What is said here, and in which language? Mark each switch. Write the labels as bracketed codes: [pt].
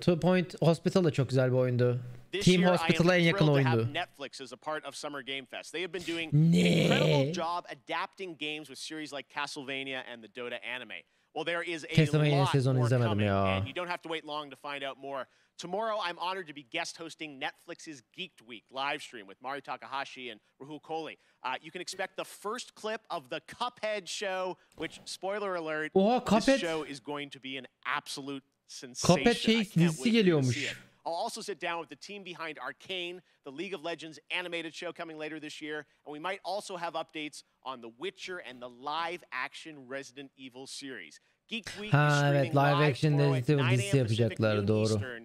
[tr] Two Point Hospital da çok güzel bir oyundu. Team Hospital'a en yakın oyundu. [en] Netflix is a part of Summer Game Fest. They have been doing an incredible job adapting games with series like Castlevania and the Dota anime. Well, there is a lot more coming, and you don't have to wait long to find out more. Tomorrow, I'm honored to be guest hosting Netflix's Geeked Week live stream with Mari Takahashi and Rahul Kohli. You can expect the first clip of the Cuphead show, which, spoiler alert, this show is going to be an absolute sensation. [tr] Cuphead şey dizisi geliyormuş. [en] I'll also sit down with the team behind Arcane, the League of Legends animated show coming later this year, and we might also have updates on The Witcher and the live-action Resident Evil series. [tr] Geek Week evet, live-action Resident Evil dizisi yapacaklar, doğru.